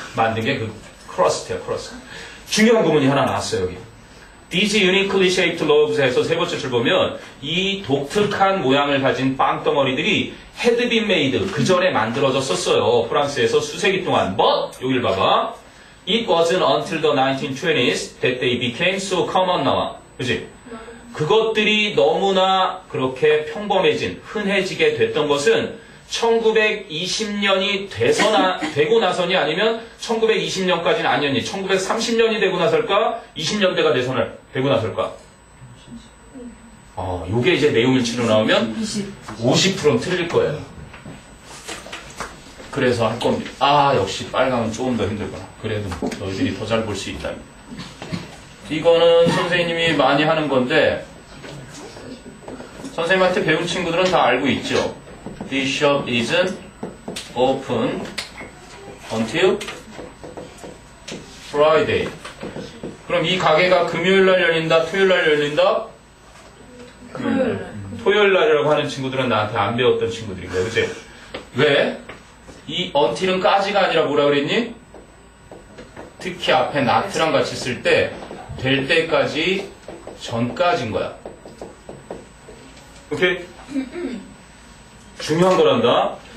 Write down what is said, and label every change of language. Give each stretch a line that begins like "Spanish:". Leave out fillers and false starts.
Korean: 만든 게 그, 크러스트야, 크러스트. 중요한 구문이 하나 나왔어요, 여기.
English: These uniquely shaped loaves
Korean: 에서 세 번째 줄 보면 이 독특한 모양을 가진 빵덩어리들이 had been made, 그 전에 만들어졌었어요. 프랑스에서 수세기 동안. But, 여길 봐봐.
English: It wasn't until the 1920s that they became so common now.
Korean: 그치? 그것들이 너무나 그렇게 평범해진, 흔해지게 됐던 것은 1920년이 돼서나, 되고 나서니 아니면 1920년까지는 아니었니? 1930년이 되고 나설까? 20년대가 돼서나, 되고 나설까? 요게 이제 내용을 치러 나오면 50%는 틀릴 거예요. 그래서 할 겁니다. 역시 빨강은 조금 더 힘들구나. 그래도 너희들이 더 잘 볼 수 있다. 이거는 선생님이 많이 하는 건데, 선생님한테 배운 친구들은 다 알고 있죠.
English: The shop isn't open until Friday.
Korean: 그럼 이 가게가 금요일날 열린다, 토요일날 열린다? 토요일날이라고 하는 친구들은 나한테 안 배웠던 친구들인데, 그치? 왜? 이 until은 까지가 아니라 뭐라 그랬니? 특히 앞에 not랑 같이 쓸 때, 될 때까지 전까지인 거야. 오케이? 중요한 거란다.